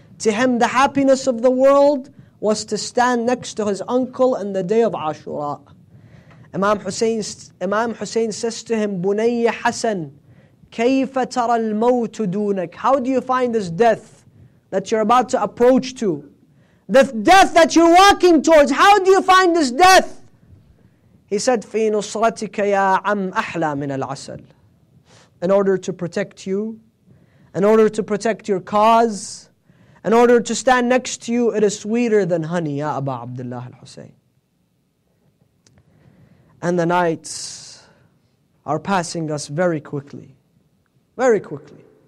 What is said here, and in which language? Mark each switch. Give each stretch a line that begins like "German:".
English: To him, the happiness of the world was to stand next to his uncle in the day of Ashura. Imam Hussein says to him, "Bunayya Hassan,
Arabic: كَيْفَ تَرَى الْمَوْتُ دُونَكَ."
English: How do you find this death that you're about to approach to? The death that you're walking towards, how do you find this death? He said,
Arabic: "فِي نُصْرَتِكَ يَا عَمْ أَحْلَى مِنَ الْعَسَلِ."
English: In order to protect you, in order to protect your cause, in order to stand next to you, it is sweeter than honey,
Arabic: يَا أَبَا عَبْدِ اللَّهِ الْحُسَيْنِ.
English: And the nights are passing us very quickly. Very quickly.